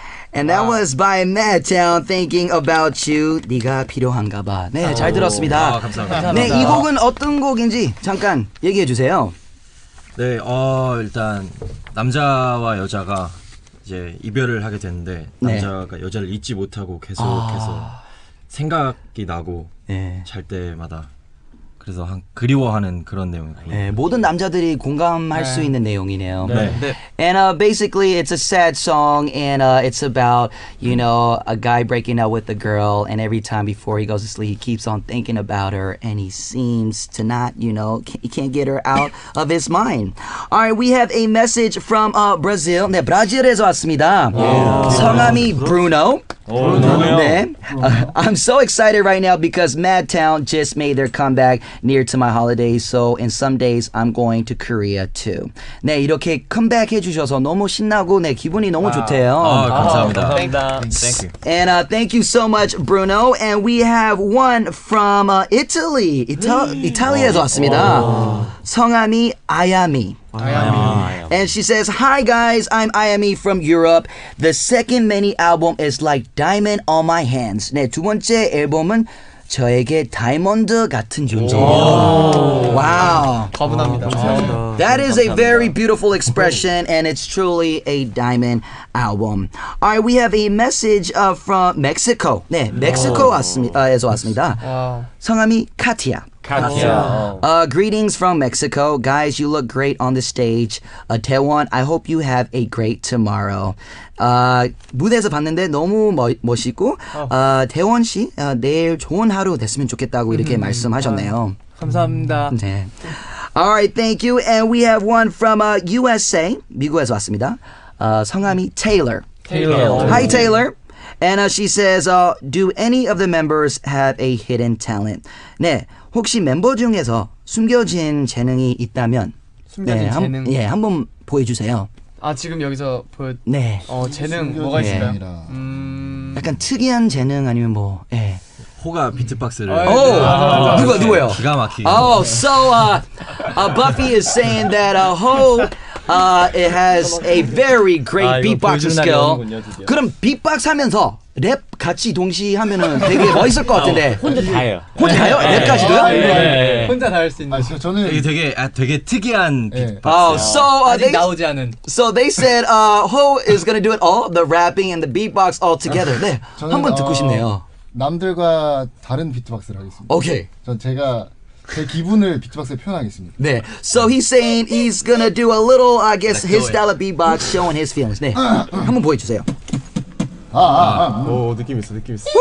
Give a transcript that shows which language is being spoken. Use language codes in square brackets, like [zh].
[en] And that was by MADTOWN, Thinking About You, 네가 필요한가 봐. [ko] 네, 잘 들었습니다. 아, 감사합니다. 네, 이 곡은 어떤 곡인지 잠깐 얘기해 주세요. 네, 일단 남자와 여자가 이제 이별을 하게 되는데 남자가 네. 여자를 잊지 못하고 계속해서 생각이 나고 네. 잘 때마다 그래서 한 그리워하는 그런 내용이에요. 네, 모든 남자들이 공감할 네. 수 있는 내용이네요. 네. 네. [en] And basically it's a sad song and it's about, you know, a guy breaking up with a girl and every time before he goes to sleep he keeps on thinking about her and he seems to not, you know, he can't get her out of his mind. All right, we have a message from Brazil. [ko] 네, 브라질에서 왔습니다. [en] Yeah. [ko] 성함이 Bruno. [en] Oh, man. I'm so excited right now because MADTOWN just made their comeback near to my holidays. So in some days, I'm going to Korea too. [ko] 네, 이렇게 컴백 해주셔서 너무 신나고 네, 기분이 너무 좋대요. 감사합니다. [en] Thank you. And thank you so much, Bruno. And we have one from Italy. [ko] Italy에서 왔습니다. 성함이 아야미. [en] And she says, Hi guys, I'm Ayami from Europe. The second mini album is like diamond on my hands. [ko] 네, 두 번째 앨범은 저에게 다이아몬드 같은 존재입니다. [en] Wow. [ko] 과분합니다. [en] That [ko] 감사합니다. [en] is a very beautiful expression and it's truly a diamond album. All right, we have a message from Mexico. [ko] 네, 멕시코 에서 왔습니다. 성함이 카티아. [en] Greetings from Mexico. Guys, you look great on the stage. Taewon, I hope you have a great tomorrow. [ko] 무대에서 봤는데 너무 멋있고 태원 씨 내일 좋은 하루 됐으면 좋겠다고 이렇게 말씀하셨네요. 감사합니다. [en] 네. All right, thank you. And we have one from USA. [ko] 미국에서 왔습니다. 성함이 Taylor. [en] Taylor. Hi, Taylor. And she says, do any of the members have a hidden talent? [ko] 네. 혹시 멤버 중에서 숨겨진 재능이 있다면 재능? 예, 한번 보여주세요. 아, 지금 여기서 보여... 네. 재능 뭐가 있어요? 네. 약간 특이한 재능 아니면 뭐... 예. 호가 비트박스를... 누구예요? 기가 막히게. [en] So, Buffy is saying that Ho... It has a very great beatboxing skill. [ko] 그럼 beatbox 하면서 랩 같이 동시에 하면은 되게 멋있을 것 같은데. 혼자 다 해요. 혼자 다 해요? 랩까지도요? 혼자 다 할 수 있는. 아, 저는 이게 되게 되게 특이한 beatbox. 아직 나오지 않은. [en] So they said Ho is gonna do it all, the rapping and the beatbox all together. [ko] 네. 한번 듣고 싶네요. 남들과 다른 비트박스를 하겠습니다. 오케이. 전 제가 제 기분을 비트박스에 표현하겠습니다. [en] 네. So he's saying he's gonna do a little, I guess, his style of beatbox, showing his feelings. 네. [ko] 한번 보여주세요. 오, 느낌 있어, 느낌 있어.